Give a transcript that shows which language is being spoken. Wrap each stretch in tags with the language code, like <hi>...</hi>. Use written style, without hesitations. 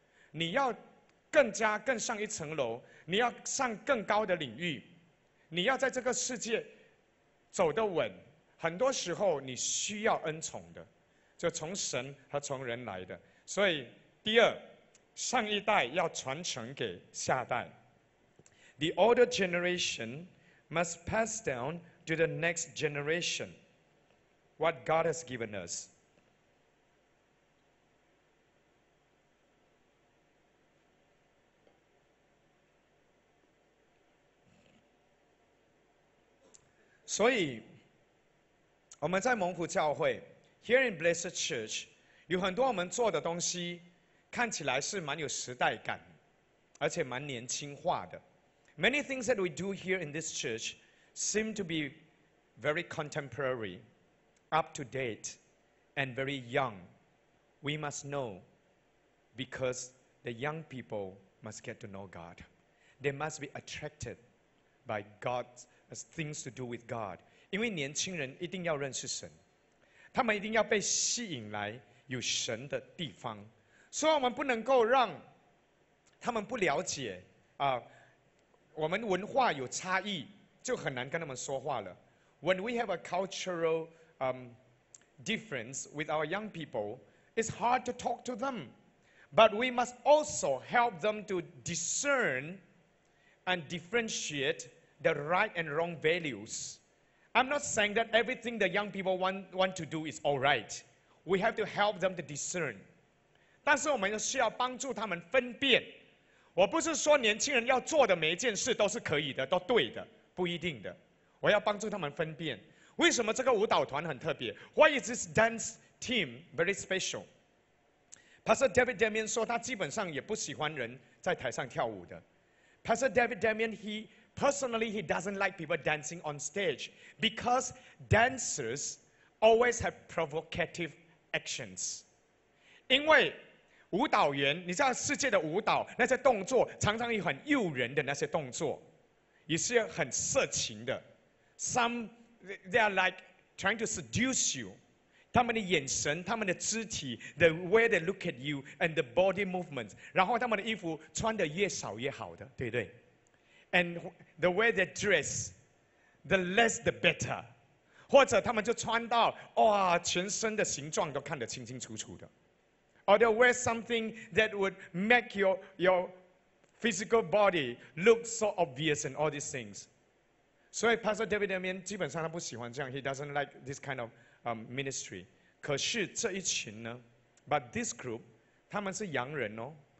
<zh>你要更加更上一层楼，你要上更高的领域，你要在这个世界走得稳，很多时候你需要恩宠的，就从神和从人来的。所以第二上一代要传承给下代。</zh> <en>The older generation must pass down to the next generation what God has given us.</en> <zh>所以我们在蒙福教会</zh> <en>Here in Blessed Church</en> <zh>有很多我们做的东西看起来是蛮有时代感，而且蛮年轻化的。</zh> <en>Many things that we do here in this church seem to be very contemporary, up to date, and very young. We must know because the young people must get to know God. They must be attracted by God's things to do with God.</en> <zh>因为年轻人一定要认识神，他们一定要被吸引来有神的地方。所以我们不能够让他们不了解啊，我们文化有差异，就很难跟他们说话了。</zh> <en>When we have a cultural difference with our young people, it's hard to talk to them. But we must also help them to discern and differentiate the right and wrong values. I'm not saying that everything the young people want to do is all right. We have to help them to discern.</en> <zh>但是我们需要帮助他们分辨。我不是说年轻人要做的每一件事都是可以的，都对的，不一定的。我要帮助他们分辨，为什么这个舞蹈团很特别 ？</zh> <en>Why is this dance team very special?</en> <zh>Pastor David Damien 说他基本上也不喜欢人在台上跳舞的。</zh> <en>Pastor David Damien, he personally, he doesn't like people dancing on stage because dancers always have provocative actions.</en> <zh>因为舞蹈员，你知道世界的舞蹈，那些动作常常有很诱人的那些动作，也是很色情的。</zh> <en>Some, they are like trying to seduce you.</en> <zh>他们的眼神，他们的肢体，</zh> <en>the way they look at you and the body movements.</en> <zh>然后他们的衣服穿得越少越好的，对不对？</zh> <en>And the way they dress, the less the better.</en> <zh>或者他们就穿到，哇，全身的形状都看得清清楚楚的。</zh> <en>Or they wear something that would make your physical body look so obvious and all these things. So Pastor David Damien,</en> <zh>基本上他不喜欢这样。</zh> <en>He doesn't like this kind of ministry.</en> <zh>可是这一群呢 ，</zh> <en>But this group,</en> <zh>他们是洋人哦。</zh>